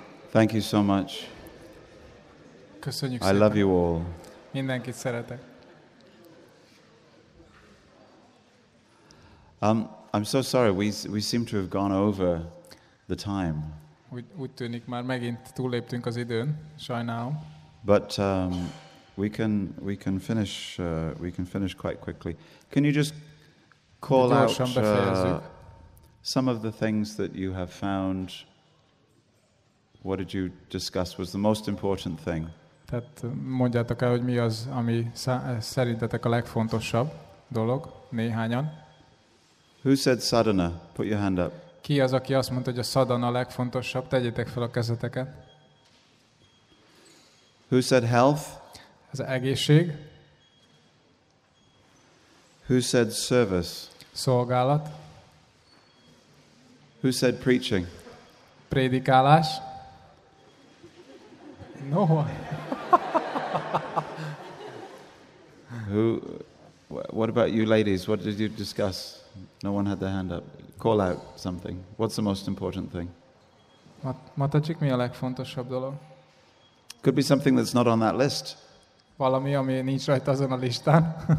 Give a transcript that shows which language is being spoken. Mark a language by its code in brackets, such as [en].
[en] Thank you so much. [hu] Köszönjük szépen. [en] I love you all. [hu] Mindenkit szeretek. [en] I'm so sorry. We seem to have gone over the time. [hu] Úgy tűnik már megint túlléptünk az időn. Sajnálom. [en] But we can finish quite quickly. Can you just call out some of the things that you have found? What did you discuss was the most important thing? [hu] Tehát mondjátok el, hogy mi az, ami szerintetek a legfontosabb dolog, néhányan. [en] Who said sadhana? Put your hand up. [hu] Ki az, aki azt mondta, hogy a sadhana a legfontosabb? Tegyétek fel a kezeteket. [en] Who said health? [hu] Az egészség. [en] Who said service? [hu] Szolgálat. [en] Who said preaching? [hu] Prédikálás. [en] No. Who? What about you ladies? What did you discuss? No one had their hand up. Call out something. What's the most important thing? [hu] Matacsik, mi a legfontosabb dolog? [en] Could be something that's not on that list. [hu] Valami, ami nincs rajta azon a listán.